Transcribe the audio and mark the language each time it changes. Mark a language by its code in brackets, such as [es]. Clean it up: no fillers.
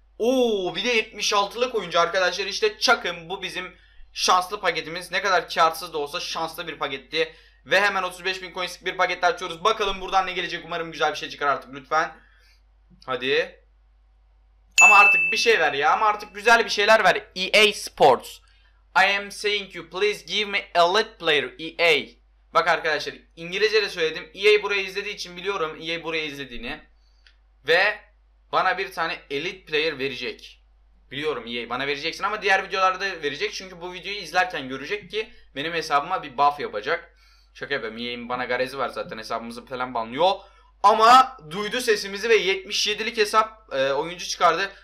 [tr] Oo, bir de 76'lık oyuncu arkadaşlar. İşte çakın, bu bizim şanslı paketimiz. Ne kadar kârsız da olsa şanslı bir paketti. Ve hemen 35.000 coins'lik bir paket daha açıyoruz. Bakalım buradan ne gelecek. Umarım güzel bir şey çıkar artık lütfen. Hadi. Ama artık bir şey ver ya. Ama artık güzel bir şeyler ver. [en] EA Sports. I am saying you please give me elite player EA. [tr] Bak arkadaşlar, İngilizce de söyledim. EA burayı izlediği için biliyorum EA burayı izlediğini. Ve bana bir tane elite player verecek. Biliyorum EA bana vereceksin ama diğer videolarda verecek. Çünkü bu videoyu izlerken görecek ki benim hesabıma bir buff yapacak. Şaka yapayım, EA'nin bana garezi var zaten, hesabımızı falan banlıyor. Ama duydu sesimizi ve 77'lik hesap oyuncu çıkardı.